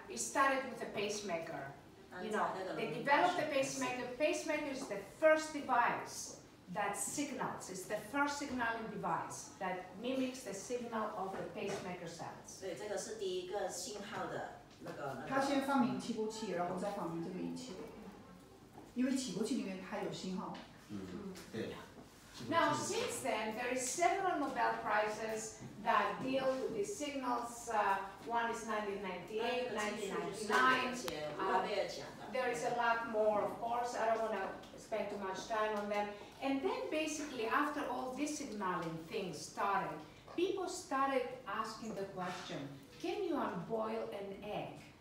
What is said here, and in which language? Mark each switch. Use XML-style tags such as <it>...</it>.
<en>It started with a pacemaker. You know, they developed the pacemaker. Pacemaker is the first device that signals. It's the first signaling device that mimics the signal of the pacemaker cells.</en> <zh>对，这个是第一个信号的那个。他先发明起搏器，然后再发明这个仪器。因为起搏器里面它有信号。嗯，对。</zh> <en>Now, since then, there are several Nobel Prizes that deal with these signals. One is 1998, 1999. There is a lot more, of course. I don't want to spend too much time on them. And then, basically, after all this signaling things started, people started asking the question, can you unboil an egg?</en>